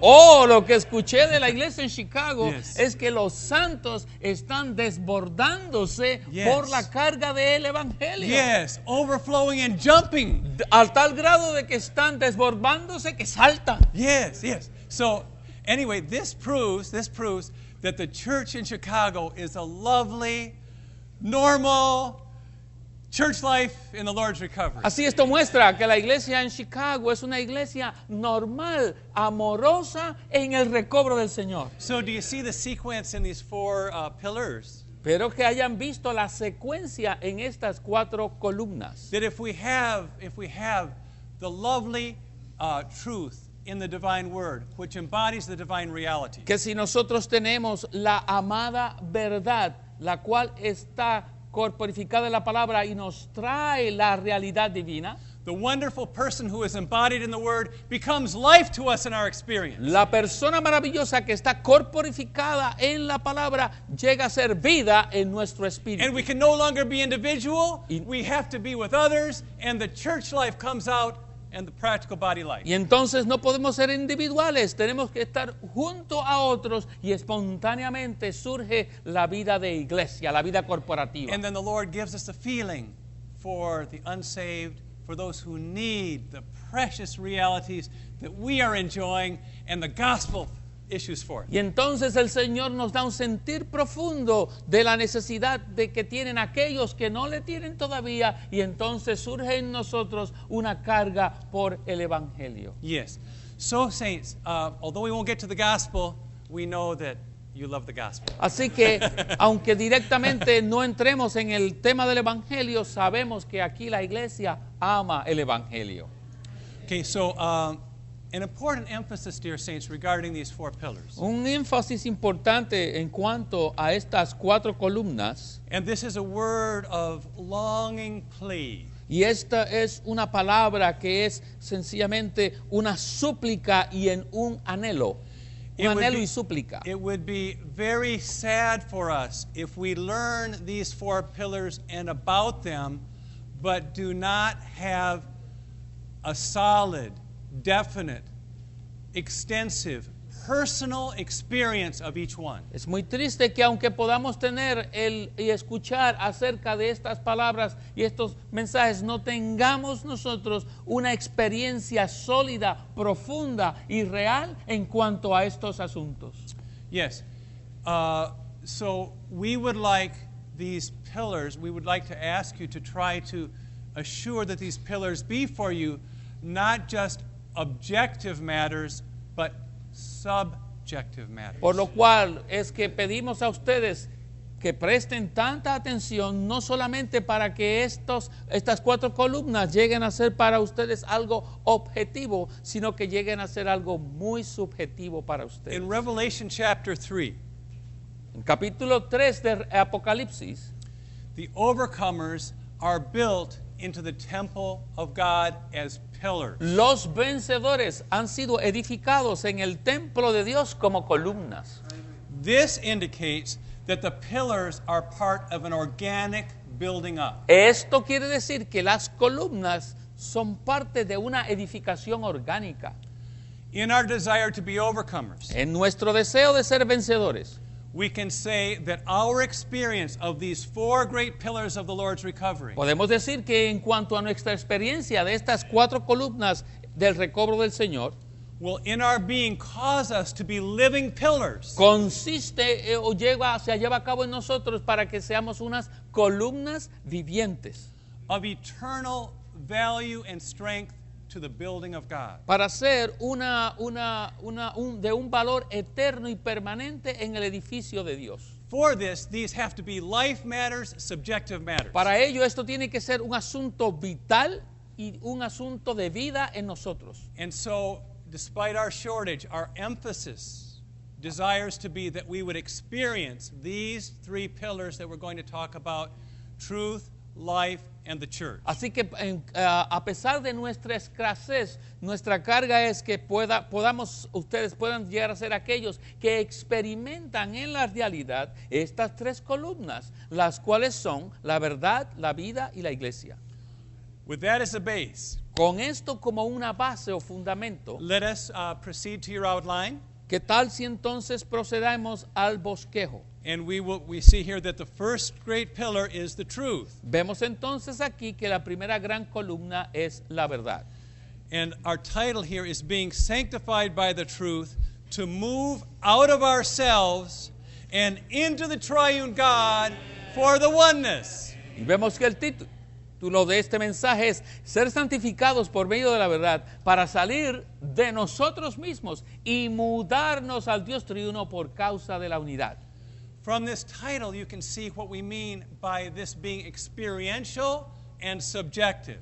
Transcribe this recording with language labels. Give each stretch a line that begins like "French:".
Spanish: Oh, lo que escuché de la iglesia en Chicago, yes, es que los santos están desbordándose, yes, por la carga del evangelio.
English: Yes, overflowing and jumping.
Spanish: Al tal grado de que están desbordándose que saltan.
English: Yes, yes. So, anyway, this proves that the church in Chicago is a lovely, normal church life in the Lord's recovery.
Spanish: Así esto muestra que la iglesia en Chicago es una iglesia normal, amorosa en el recobro del Señor.
English: So do you see the sequence in these four pillars?
Spanish: Pero que hayan visto la secuencia en estas cuatro columnas.
English: That if we have the lovely truth in the divine word, which embodies the divine reality.
Spanish: Que si nosotros tenemos la amada verdad, la cual está corporificada en la palabra y nos trae la realidad divina.
English: The wonderful person who is embodied in the word becomes life to us in our experience.
Spanish: La persona maravillosa que está corporificada en la palabra llega a ser vida en nuestro espíritu.
English: And we can no longer be individual. We have to be with others, and the church life comes out and the practical body life.
Spanish: Y entonces no podemos ser individuales, tenemos que estar junto a otros y espontáneamente surge la vida de iglesia, la vida corporativa.
English: And then the Lord gives us the feeling for the unsaved, for those who need the precious realities that we are enjoying and the gospel issues forth.
Spanish: Y entonces el Señor nos da un sentir profundo de la necesidad de que tienen aquellos que no le tienen todavía, y entonces surge en nosotros una carga por el evangelio.
English: Yes. So saints, although we won't get to the gospel, we know that you love the gospel.
Spanish: Así que aunque directamente no entremos en el tema del evangelio, sabemos que aquí la iglesia ama el evangelio.
English: Okay, so an important emphasis, dear saints, regarding these four pillars.
Spanish: Un énfasis importante en cuanto a estas cuatro columnas.
English: And this is a word of longing plea.
Spanish: Y esta es una palabra que es sencillamente una súplica y en un anhelo. Un anhelo y súplica.
English: It would be very sad for us if we learn these four pillars and about them but do not have a solid, definite, extensive, personal experience of each one.
Spanish: Es muy triste que aunque podamos tener el y escuchar acerca de estas palabras y estos mensajes, no tengamos nosotros una experiencia sólida, profunda y real en cuanto a estos asuntos.
English: Yes. So we would like these pillars, we would like to ask you to try to assure that these pillars be for you not just objective matters, but subjective matters.
Spanish: Por lo cual es que pedimos a ustedes que presten tanta atención no solamente para que estas cuatro columnas lleguen a ser para ustedes algo objetivo, sino que lleguen a ser algo muy subjetivo para ustedes.
English: In Revelation chapter 3.
Spanish: En capítulo 3 de Apocalipsis,
English: the overcomers are built into the temple of God as pillars.
Spanish: Los vencedores han sido edificados en el templo de Dios como columnas.
English: This indicates that the pillars are part of an organic building up.
Spanish: Esto quiere decir que las columnas son parte de una edificación orgánica.
English: In our desire to be overcomers.
Spanish: En nuestro deseo de ser vencedores.
English: We can say that our experience of these four great pillars of the Lord's recovery.
Spanish: Podemos decir que en cuanto a nuestra experiencia de estas cuatro columnas del recobro del Señor,
English: will in our being cause us to be living pillars.
Spanish: Consiste o lleva se lleva a cabo en nosotros para que seamos unas columnas vivientes.
English: Of eternal value and strength to the building of God.
Spanish: Para ser de un valor eterno y permanente en el edificio de Dios.
English: For this, these have to be life matters, subjective matters.
Spanish: Para ello, esto tiene que ser un asunto vital y un asunto de vida en nosotros.
English: And so, despite our shortage, our emphasis desires to be that we would experience these three pillars that we're going to talk about: truth, life, and the church.
Spanish: Así que a pesar de nuestra escasez, nuestra carga es que puedan llegar a ser aquellos que experimentan en la realidad estas tres columnas, las cuales son la verdad, la vida y la iglesia.
English: With that as a base.
Spanish: Con esto como una base o fundamento.
English: Let us proceed to your outline.
Spanish: ¿Qué tal si entonces procedamos al bosquejo?
English: And we see here that the first great pillar is the truth.
Spanish: Vemos entonces aquí que la primera gran columna es la verdad.
English: And our title here is being sanctified by the truth to move out of ourselves and into the triune God for the oneness.
Spanish: Y vemos que el título de este mensaje es ser santificados por medio de la verdad para salir de nosotros mismos y mudarnos al Dios triuno por causa de la unidad.
English: From this title, you can see what we mean by this being experiential and subjective.